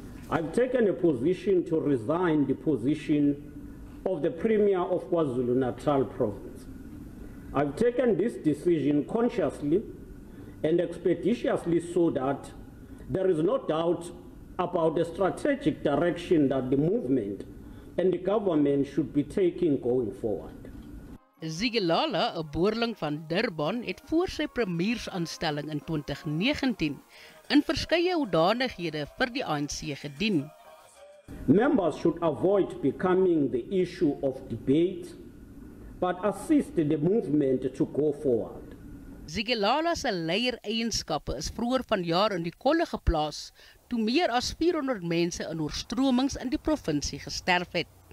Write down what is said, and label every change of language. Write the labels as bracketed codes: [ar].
[en] I've taken a position to resign the position of the Premier of KwaZulu-Natal province. I've taken this decision consciously and expeditiously so that there is no doubt about the strategic direction that the movement and the government should be taking going forward. [af] Zikalala, 'n boerling van Durban, het voor sy premiersaanstelling in 2019 in verskeie hoedanighede vir die ANC gedien. [en] Members should avoid becoming the issue of debate, but assist the movement to go forward. [af] Zikalala se leiereienskappe is vroeër vanjaar in die kolle geplaas toe meer as 400 mense in oorstromings in die provinsie gesterf het.